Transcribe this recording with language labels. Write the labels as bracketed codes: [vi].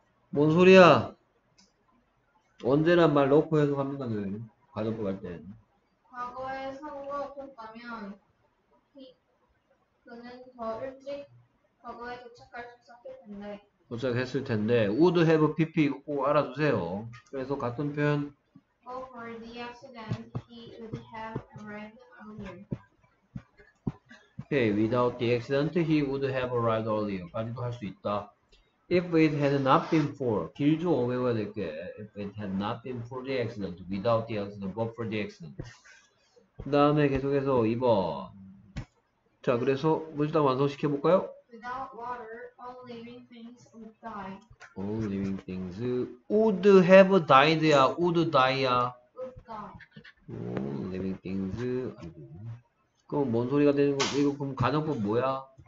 [ko] 뭔 소리야? 언제란 말 넣고 해석합니다, 선생님. 과정법 할 때. 과거에 사고가 없었다면 그는 더 일찍 과거에 도착할 수 있었을 텐데. 도착했을 텐데, [en] would have pp [ko] 꼭 알아두세요. 그래서 같은 표현. [en] For the accident, he would have arrived earlier. Okay, without the accident, he would have arrived earlier. [ko] 까지도 할수 있다. [en] If it had not been for, [ko] 길죠? 외워야 될 게. [en] If it had not been for the accident, without the accident, but for the accident. [ko] 그 다음에 계속해서 2번. 자, 그래서 물질 다 완성시켜 볼까요? [en] Without water, all living things would die. All living things would have died야, would die야. Would die. 오, living things. [ko] 그럼 뭔 소리가 되는 거, 이거 그럼 가정법 뭐야?